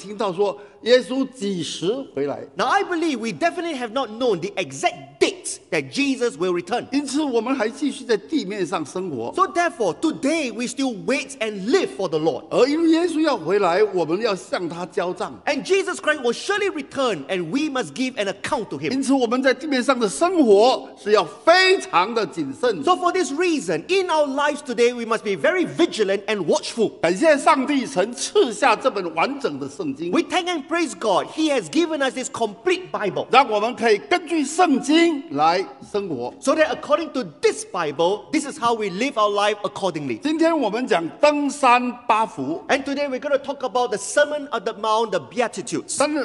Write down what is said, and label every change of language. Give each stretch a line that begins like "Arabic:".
Chinese: 但是我相信大家一定没有听到说耶稣几时回来。
English: Now I believe we definitely have not known the exact date that Jesus will return.
Chinese: 因此我们还继续在地面上生活。
English: So therefore, today we still wait and live for the Lord.
Chinese: 而因为耶稣要回来，我们要向他交账。
English: And Jesus Christ will surely return, and we must give an account to him.
Chinese: 因此我们在地面上的生活是要非常的谨慎。
English: So for this reason, in our lives today, we must be very vigilant and watchful.
Chinese: 感谢上帝曾赐下这本完整的圣经。
English: We thank and praise God, he has given us this complete Bible.
Chinese: 让我们可以根据圣经
English: So that according to this Bible, this is how we live our life accordingly.
Chinese: 今天我们讲登山八福。
English: And today we're going to talk about the Sermon of the Mount, the Beatitudes.